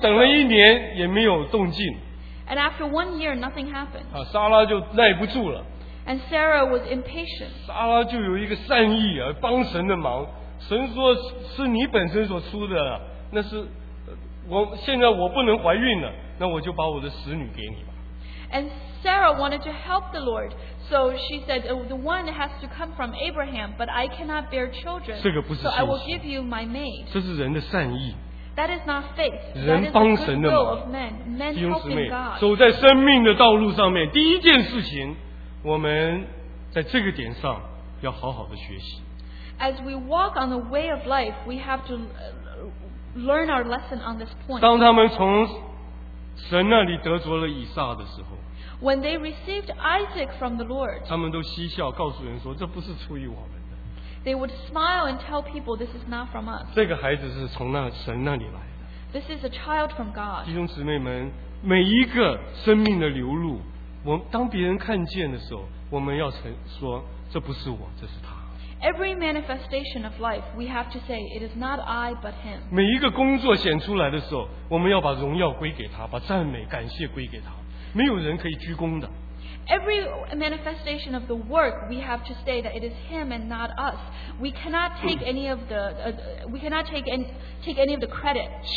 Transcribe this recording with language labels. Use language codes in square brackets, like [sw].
[zh] 就等了一年也没有动静。 [en] And after 1 year, nothing happened. [zh] 啊，撒拉就耐不住了。 [en] And Sarah was impatient. [zh] 撒拉就有一个善意啊，帮神的忙。神说是你本身所出的，那是我现在我不能怀孕了，那我就把我的使女给你吧。 [en] And Sarah wanted to help the Lord, so she said, "The one has to come from Abraham, but I cannot bear children." [zh] 这个不是信心。 [en] So I will give you my maid. [zh] 这是人的善意。 [en] That is not faith. [zh] 人帮神的 [en] 忙。Men helping God. [zh] 走在生命的道路上面，第一件事情，我们在这个点上要好好的学习。 [en] As we walk on the way of life, we have to learn our lesson on this point. [zh] 当他们从神那里得着了以撒的时候， [en] When they received Isaac from the Lord, [zh] 他们都嬉笑告诉人说，这不是出于我们的。 [en] They would smile and tell people this is not from us. [zh] 这个孩子是从神那里来的。 [en] This is a child from God. [zh] 弟兄姊妹们, 每一个生命的流露, 当别人看见的时候, 我们要说, 这不是我, 这是他。 [en] Every manifestation of life, we have to say, it is not I, but him. [zh] 每一个工作显出来的时候, 我们要把荣耀归给他, 把赞美, 感谢归给他, 没有人可以鞠躬的。 [en] Every manifestation of the work, we have to say that it is him and not us. We cannot take any of the, we cannot take any of the credit.